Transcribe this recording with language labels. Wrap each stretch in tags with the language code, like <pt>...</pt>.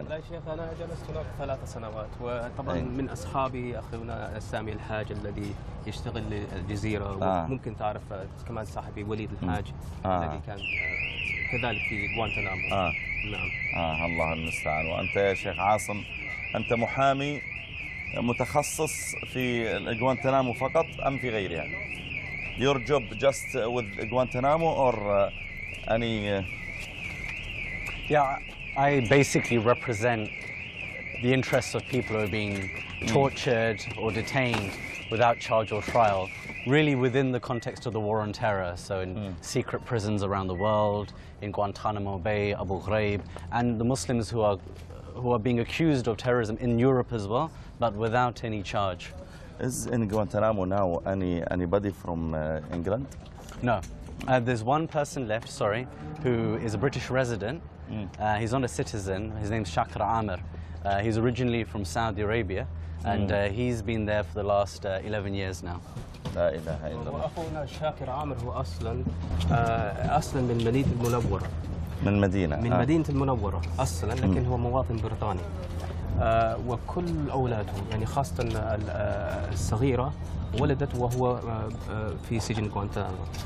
<ar>لا شيخ، أنا جلست هناك 3 سنوات، وطبعا من أصحابي أخونا سامي الحاج الذي يشتغل للجزيرة، ممكن تعرف كمان صاحبي وليد الحاج الذي كان كذلك في غوانتانامو. الله المستعان. وأنت يا شيخ عاصم أنت محامي متخصص في غوانتانامو فقط أم في غيرها؟</ar> <en>Your job just with Guantanamo or any... Yeah, I basically represent the interests of people who are being tortured or detained without charge or trial, really within the context of the war on terror, so in secret prisons around the world, in Guantanamo Bay, Abu Ghraib, and the Muslims who are being accused of terrorism in Europe as well, but without any charge. Is in Guantanamo now anybody from England? No. There's one person left, sorry, who is a British resident. He's not a citizen. His name's Shakr Amer. He's originally from Saudi Arabia, and he's been there for the last 11 years now.</en> <ar>لا إله إلا الله. أخونا شاكر عامر هو أصلاً من مدينة المنورة. من مدينة. من مدينة المنورة أصلاً، لكن هو مواطن بريطاني. وكل أولاده يعني خاصة الصغيرة ولدت وهو في سجن غوانتانامو.</ar>